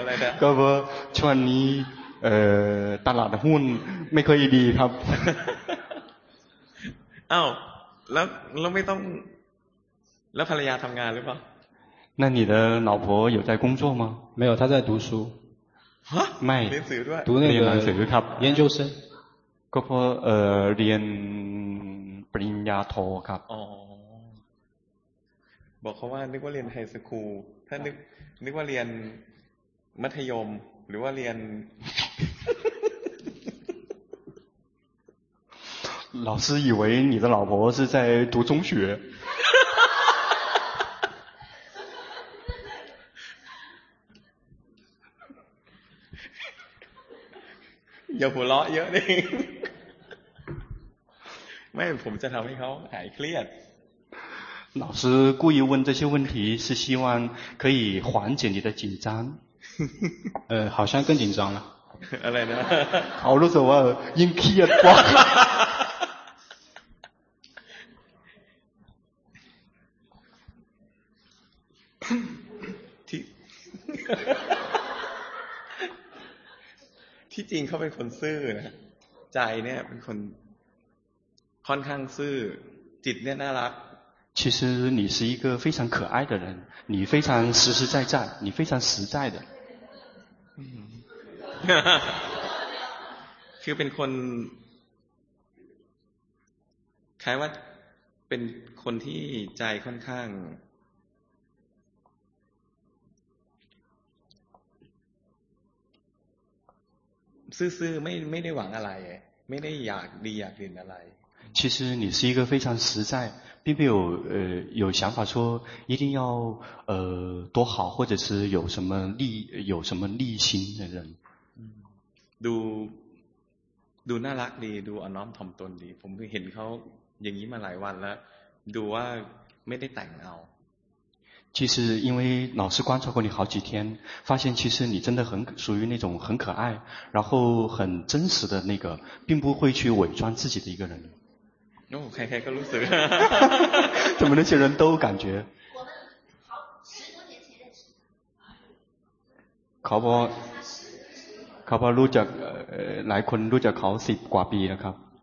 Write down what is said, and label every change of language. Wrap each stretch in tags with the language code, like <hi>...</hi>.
<th>ะไรเนี่ยก็ช่วงนี้ตลาดหุ้นไม่ค่อยดีครับ อ้าวแล้วไม่ต้องแล้วภรรยาทำงานหรือเปล่า</th> <zh>那你的老婆有在工作吗没有她在读书 ฮะ</zh> <th>ไม่เ รีย นหนัง สือ ด้วยเรียนหนังสือครับ</th> <zh>研究生</zh> <th>ก็เพราะเรียนปริญญาโทครับ บอกเขาว่านึกว่าเรียนไฮสคูลถ้านึกว่าเรียนมัธยมหรือว่าเรียน</th> <zh>老师以为你的老婆是在读中学</zh> <th>อย่าหัวเราะเยอะดิไม่ผมจะทำให้เขาหายเครียด</th> <zh>老师故意问这些问题是希望可以缓解你的紧张好像更紧张了</zh> <th>อะไรนะ เขารู้สึกว่ายิ่งเครียดกว่า ที่จริงเขาเป็นคนซื่อนะใจเนี่ยเป็นคนค่อนข้างซื่อจิตเนี่ยน่ารัก</th> <zh>其实你是一个非常可爱的人你非常实实在在你非常实在的</zh> <th>คือเป็นคนคล้ายว่าเป็นคนที่ใจค่อนข้างซื่อๆไม่ได้หวังอะไรไม่ได้อยากดีอยากเด่นอะไร</th> <zh>其实你是一个非常实在并没有有想法说一定要多好或者是有什么利心的人</zh> <th>ดูน่ารักดีดูอ่อนน้อมถ่อมตนดีผมเห็นเขาอย่างนี้มาหลายวันแล้วดูว่าไม่ได้แต่งเอา</th> <zh>其实因为老师观察过你好几天发现其实你真的很属于那种很可爱然后很真实的那个并不会去伪装自己的一个人</zh> <th>โอ้ใครๆก็รู้สึก</th> <zh>怎么那些人都感觉</zh> <th>เขาพอรู้จักหลายคนรู้จักเขา10กว่าปีแล้วครับ</th>